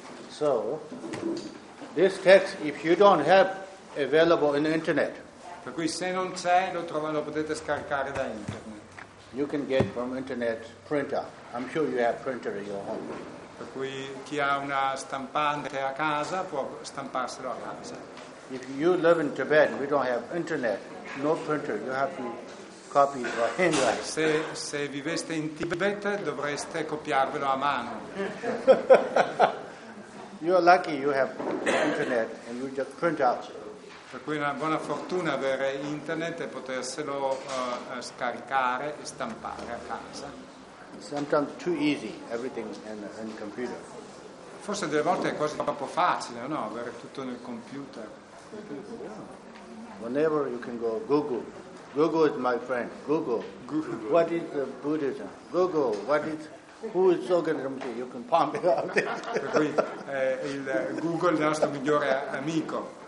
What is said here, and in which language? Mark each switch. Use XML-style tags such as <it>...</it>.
<en>So, this text, if you don't have available in the internet,</en> <it>per cui se non c'è lo potete scaricare da internet.</it> <en>You can get from internet printer. I'm sure you have printer in your home.</en> <it>Per cui chi ha una stampante a casa può stamparselo a casa.</it> <en>If you live in Tibet, we don't have internet, no printer. You have to copy by handwriting.</en> <it>Se viveste in Tibet dovreste copiarvelo a mano.</it> <en>You are lucky you have internet and you just print out.</en> <it>Per cui è una buona fortuna avere internet e poterselo scaricare e stampare a casa.</it> <en>Sometimes too easy, everything in computer.</en> <it>Forse delle volte è quasi troppo facile, no? Avere tutto nel computer.</it> <en>Yeah. Whenever you can go Google. Google is my friend. Google. What is the Buddhism? Google, what is who is Sogyal? You can pump it out.</en> <it>Per cui Google è il nostro migliore amico.</it>